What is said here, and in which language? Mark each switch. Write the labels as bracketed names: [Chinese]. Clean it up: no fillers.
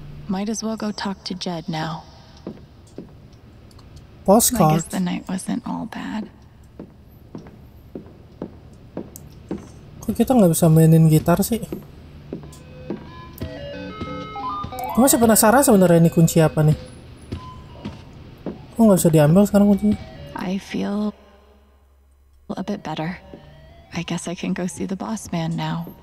[English] Might as well go talk to Jed now. Postcard. I guess the night wasn't all bad. [Indonesian] Kok kita nggak bisa mainin gitar sih? Gue masih penasaran sebenarnya ini kunci apa nih. Kok gak bisa diambil sekarang kuncinya? [English] I feel a bit better. I guess I can go see the boss man now.